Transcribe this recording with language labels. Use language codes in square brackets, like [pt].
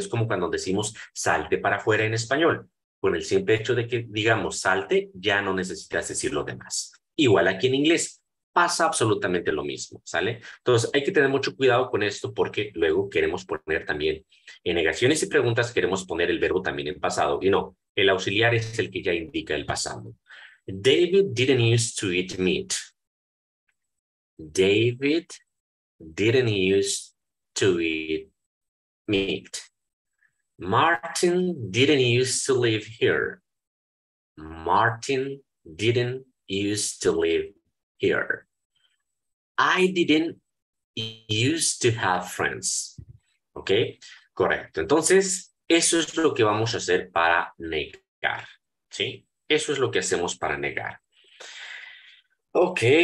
[es] Es como cuando decimos salte para afuera en español. Con el simple hecho de que digamos salte, ya no necesitas decir lo demás. Igual aquí en inglés pasa absolutamente lo mismo, ¿sale? Entonces hay que tener mucho cuidado con esto porque luego queremos poner también en negaciones y preguntas, queremos poner el verbo también en pasado. Y no, el auxiliar es el que ya indica el pasado. [en] David didn't use to eat meat. David didn't use to eat meat. Martin didn't use to live here. Martin didn't use to live here. I didn't use to have friends. [es] ¿Ok? Correcto. Entonces, eso es lo que vamos a hacer para negar. ¿Sí? Eso es lo que hacemos para negar. Ok.